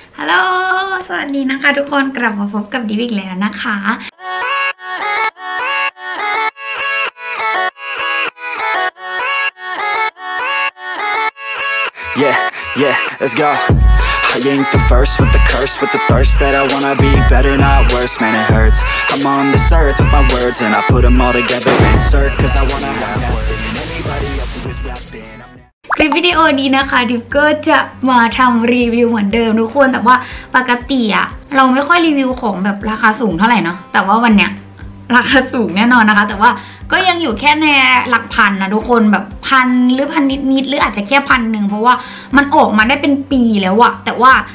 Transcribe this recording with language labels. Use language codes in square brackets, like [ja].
[th] ฮัลโหลสวัสดีนะคะทุกคนกลับมาพบกับดิวอีกแล้วนะคะ [en] Yeah, let's go. I ain't the first with the curse, with the thirst that I wanna be better, not worse. Man, it hurts. I'm on this earth with my words, and I put them all together, insert, 'cause I wanna have words. Anybody else who is rapping. [th] คลิปวิดีโอนี้นะคะดิฟก็จะมาทำรีวิวเหมือนเดิมทุกคนแต่ว่าปกติอะเราไม่ค่อยรีวิวของแบบราคาสูงเท่าไหร่เนาะแต่ว่าวันเนี้ยราคาสูงแน่นอนนะคะแต่ว่าก็ยังอยู่แค่ในหลักพันนะทุกคนแบบพันหรือพันนิดๆหรืออาจจะแค่พันหนึ่งเพราะว่ามันออกมาได้เป็นปีแล้วอะแต่ว่า